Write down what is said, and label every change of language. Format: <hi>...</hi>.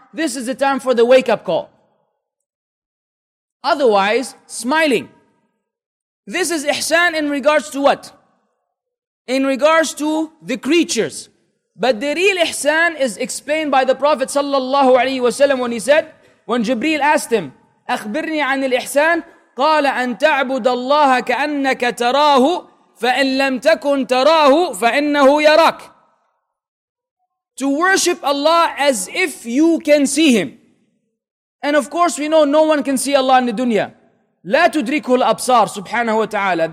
<en>This is the time for the wake-up call. Otherwise, smiling. This is ihsan in regards to what? In regards to the creatures. But the real ihsan is explained by the Prophet sallallahu alaihi wasallam when he said, When Jibreel asked him,</en> <ar>أخبرني عن الإحسان, قال أن تعبد الله كأنك تراه فإن لم تكن تراه فإنه يراك.</ar> <en>To worship Allah as if you can see Him. And of course we know no one can see Allah in the dunya.</en> <ar>لا تدركه الأبصار سبحانه وتعالى.</ar>